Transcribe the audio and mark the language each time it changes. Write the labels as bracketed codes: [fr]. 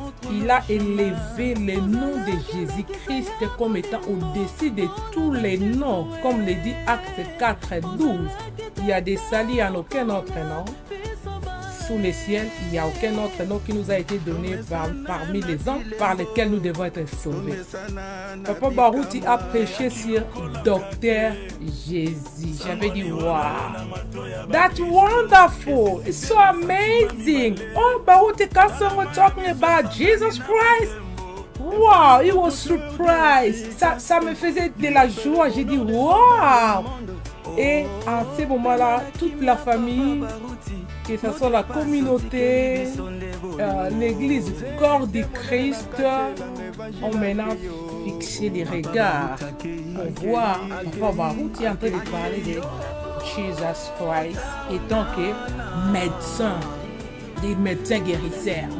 [fr] Il a élevé le nom de Jésus-Christ comme étant au-dessus de tous les noms, comme le dit Actes 4, 12. Il y a des salis en aucun autre nom. Sous les ciels, il n'y a aucun autre nom qui nous a été donné parmi les hommes par lesquels nous devons être sauvés. Papa Baruti a prêché sur Docteur Jésus. J'avais dit, [en] wow, that's wonderful, it's so amazing. Oh, Baruti, [fr] quand on est [en] talking about Jesus Christ, wow, he was surprised. [fr] Ça me faisait de la joie. J'ai dit, wow. Et à ce moment-là, toute la famille, que ce soit la communauté, l'église, corps de Christ, ont maintenant fixé les regards pour voir Papa Baruch qui est en train de parler de Jesus Christ étant que médecin, des médecins guérisseurs.